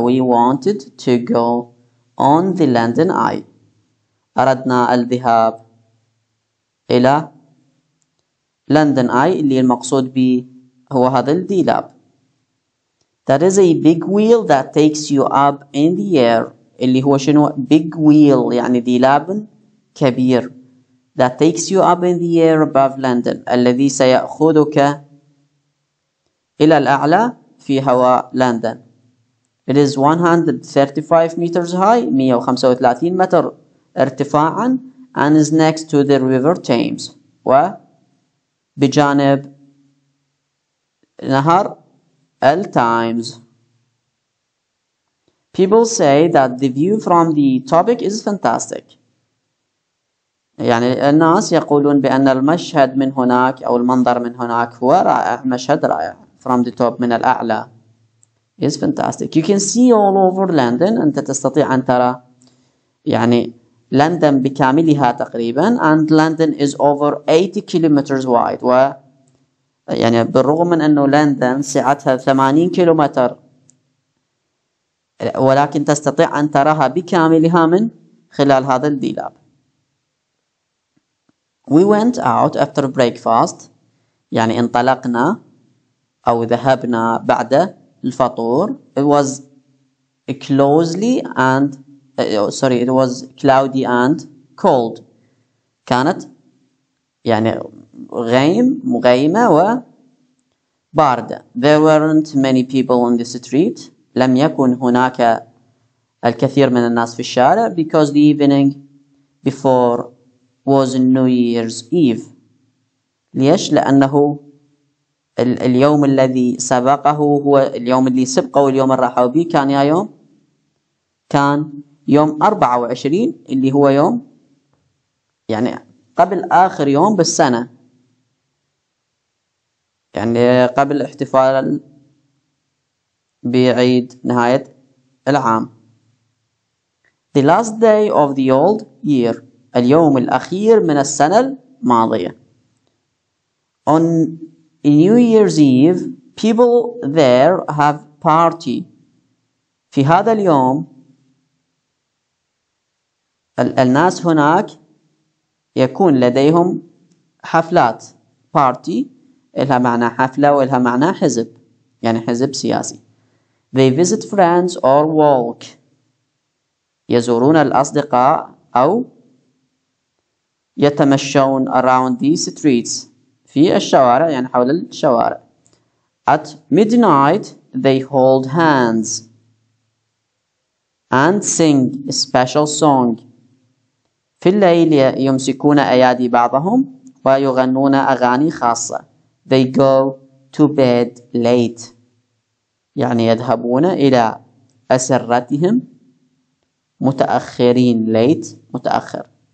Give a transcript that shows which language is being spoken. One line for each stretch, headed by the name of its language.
English: we wanted to go on the London Eye.
Arabic: أردنا الذهاب إلى London Eye اللي المقصود به هو هذا الديلاب.
English: That is a big wheel that takes you up in the air.
Arabic: اللي هو شنو؟ Big wheel يعني ديلاب كبير.
English: That takes you up in the air above London.
Arabic: الذي سيأخذك إلى الأعلى في هواء لندن.
English: It is 135 meters high.
Arabic: 135 متر ارتفاعا.
English: And is next to the River Thames.
Arabic: وبجانب نهر L times.
English: People say that the view from the top is fantastic.
Arabic: يعني الناس يقولون بأن المشهد من هناك أو المنظر من هناك هو رائع. مشهد رائع.
English: From the top
Arabic: من الأعلى
English: is fantastic. You can see all over London.
Arabic: أنت تستطيع أن ترى يعني لندن بكاملها تقريبا.
English: And London is over 80 kilometers wide.
Arabic: و يعني بالرغم من أنه لندن سعتها 80 كيلومتر ولكن تستطيع أن تراها بكاملها من خلال هذا الديلاب.
English: We went out after breakfast
Arabic: يعني انطلقنا أو ذهبنا بعد الفطور.
English: It was closely and sorry it was cloudy and cold.
Arabic: كانت يعني غيم مغيمة و باردة.
English: There weren't many people on the street.
Arabic: لم يكن هناك الكثير من الناس في الشارع.
English: Because the evening before was New Year's Eve.
Arabic: ليش؟ لأنه اليوم الذي سبقه هو اليوم اللي سبقه واليوم اللي راحوا به كان يا يوم كان يوم 24 اللي هو يوم يعني قبل آخر يوم بالسنة. يعني قبل احتفال بعيد نهاية العام.
English: The last day of the old year.
Arabic: اليوم الأخير من السنة الماضية.
English: On New Year's Eve, people there have party.
Arabic: في هذا اليوم الناس هناك يكون لديهم حفلات. Party إلها معنى حفلة وإلها معنى حزب يعني حزب سياسي.
English: They visit friends or walk.
Arabic: يزورون الأصدقاء أو يتمشون
English: around the streets
Arabic: في الشوارع يعني حول الشوارع.
English: At midnight they hold hands and sing a special song.
Arabic: في الليل يمسكون أيادي بعضهم ويغنون أغاني خاصة.
English: They go to bed late.
Arabic: يعني يذهبون إلى أسرتهم متأخرين.
English: late
Arabic: متأخر.